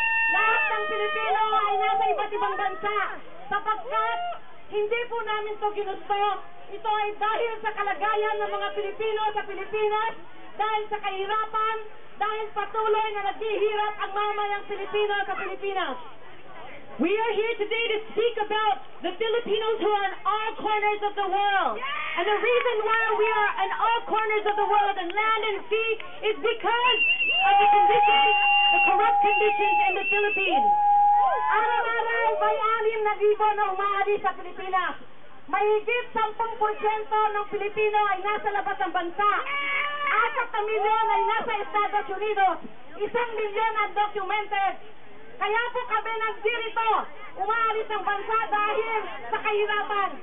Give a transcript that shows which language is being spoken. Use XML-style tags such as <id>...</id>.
<tl>Lahat ng Pilipino ay nasa iba't ibang bansa sapagkat hindi po namin ito ginusto. Ito ay dahil sa kalagayan ng mga Pilipino sa Pilipinas, dahil sa kahirapan, dahil patuloy na naghihirap ang mamayang Pilipino sa Pilipinas.</tl> <en>We are here today to speak about the Filipinos who are in all corners of the world. And the reason why we are in all corners of the world, and land and sea, is because of the conditions, the corrupt conditions in the Philippines.</en> <tl>Araw-araw, may 6,000 na umaalis sa Pilipinas. Mahigit 10% ng Pilipino ay nasa labas ng bansa. 4 milyon ay nasa Estados Unidos. 1 milyon undocumented. Kaya po kami nandito, umaalis ng bansa dahil sa kahirapan.</tl>